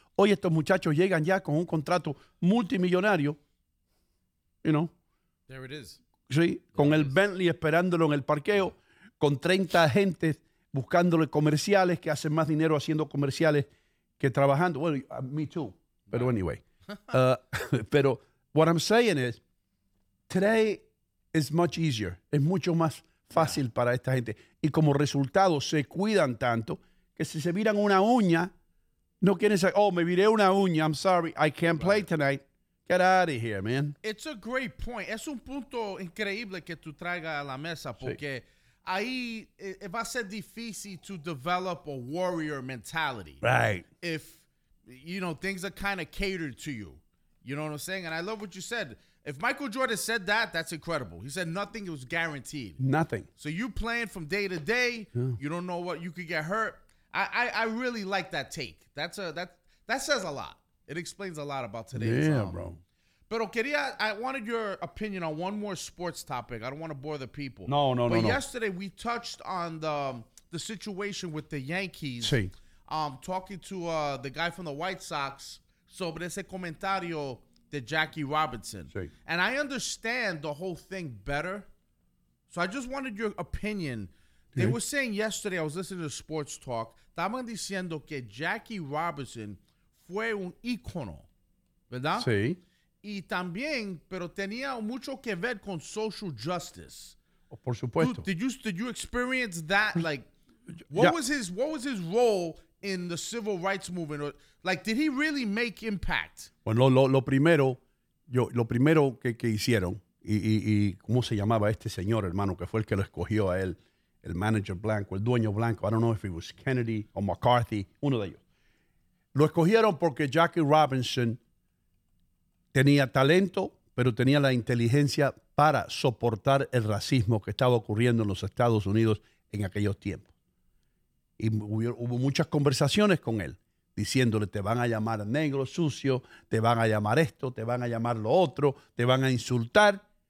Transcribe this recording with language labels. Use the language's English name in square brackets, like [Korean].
[Spanish] Hoy estos muchachos llegan ya con un contrato multimillonario, [English] you know. There it is. [Spanish] Sí, con el Bentley esperándolo en el parqueo, con 30 agentes buscándole comerciales que hacen más dinero haciendo comerciales que trabajando. [English] Well, me too. But anyway. [Spanish] pero [English] what I'm saying is, today is much easier. [Spanish] Es mucho más fácil para esta gente. Y como resultado, se cuidan tanto que si se viran una uña, no quieren decir, oh, me viré una uña, [English] I'm sorry, I can't play tonight. Get out of here, man. It's a great point. [Spanish] Es un punto increíble que tú traigas a la mesa, porque sí, ahí va a ser difícil [English] to develop a warrior mentality. Right. If, you know, things are kind of catered to you. You know what I'm saying? And I love what you said. If Michael Jordan said that, that's incredible. He said nothing was guaranteed. Nothing. So you playing from day to day, you don't know what, you could get hurt. I really like that take. That says a lot. It explains a lot about today's. Yeah, bro. [Spanish] Pero quería, [English] I wanted your opinion on one more sports topic. I don't want to bore the people. No. But yesterday we touched on the situation with the Yankees. [Spanish] Sí. [English] Talking to the guy from the White Sox [Spanish] sobre ese comentario de [English] Jackie Robinson. [Spanish] Sí. [English] And I understand the whole thing better. So I just wanted your opinion. They were saying yesterday, I was listening to Sports Talk, [Spanish] estaban diciendo que Jackie Robinson fue un ícono, ¿verdad? Sí. Y también, pero tenía mucho que ver con social justice. Oh, por supuesto. [English] Did you experience that? Like, what was his role in the civil rights movement? Or, like, did he really make impact? [Spanish] Bueno, lo primero que hicieron, y ¿cómo se llamaba este señor, hermano, que fue el que lo escogió a él? El manager blanco, el dueño blanco. [English] I don't know if it was Kennedy or McCarthy. [Spanish] Uno de ellos. Lo escogieron porque Jackie Robinson tenía talento, pero tenía la inteligencia para soportar el racismo que estaba ocurriendo en los Estados Unidos en aquellos tiempos. Y hubo muchas conversaciones con él, diciéndole, te van a llamar negro sucio, te van a llamar esto, te van a llamar lo otro, te van a insultar.